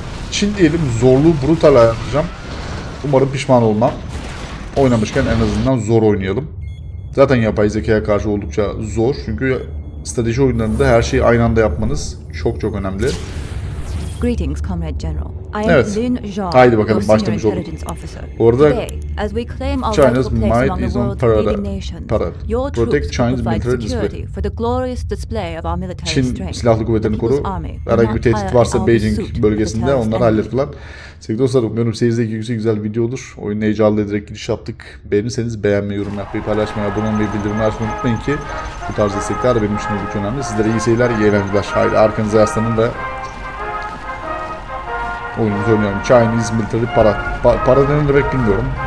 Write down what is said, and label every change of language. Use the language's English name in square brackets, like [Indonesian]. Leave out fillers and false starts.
[Turkish] Çin diyelim, zorluğu brutal ayarlayacağım. Umarım pişman olmam. Oynamışken en azından zor oynayalım. Zaten yapay zekaya karşı oldukça zor çünkü strateji oyunlarında her şeyi aynı anda yapmanız çok önemli. [English] Greetings, Comrade General. I am Lin Zhao. [Turkish] Haydi bakalım, başlamış olduk. Orada [English] as we claim our China's might is on parade. Protect China's military display. For the glorious display of our military strength. [Turkish] Çin silahlı kuvvetlerini koru. Herhangi bir tehdit varsa Beijing bölgesinde onları hallet falan. Sevgili dostlar, umarım seyirdeki yüksek güzel video olur. Oyunu heyecanlı ederek giriş yaptık. Beğenirseniz beğenmeyi, yorum yapmayı, paylaşmayı, abone olmayı, bildirimi açmayı unutmayın ki bu tarz destekler benim için oldukça önemli. Sizlere iyi seyirler, iyi eğlenceler. Haydi arkanıza yaslanın da oyunumuzu oynayalım. [English] Chinese military [Turkish] para. Para ne demek bilmiyorum.